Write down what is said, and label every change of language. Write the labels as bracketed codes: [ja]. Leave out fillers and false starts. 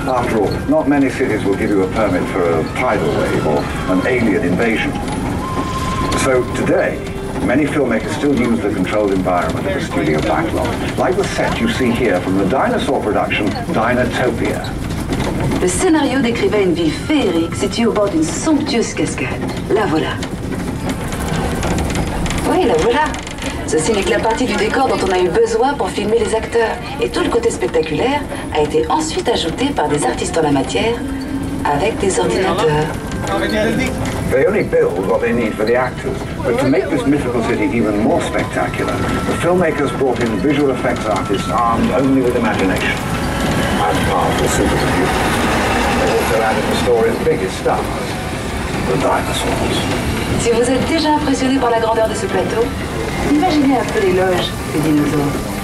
[en] After all, not many cities will give you a permit for a tidal wave or an alien invasion. So today, many filmmakers still use the controlled environment of the studio backlot, like the set you see here from the dinosaur production Dinotopia. [fr] Le scénario décrivait une ville féerique située au bord d'une somptueuse cascade. La voilà. Oui, la voilà. Ceci n'est que la partie du décor dont on a eu besoin pour filmer les acteurs. Et tout le côté spectaculaire a été ensuite ajouté par des artistes en la matière avec des ordinateurs. [en] They only build what they need for the actors. But to make this mythical city even more spectacular, the filmmakers brought in visual effects artists armed only with imagination. And powerful supercomputers. They also added the story's biggest stars, the dinosaurs. [fr] Si vous êtes déjà impressionné par la grandeur de ce plateau, imaginez un peu les loges des dinosaures.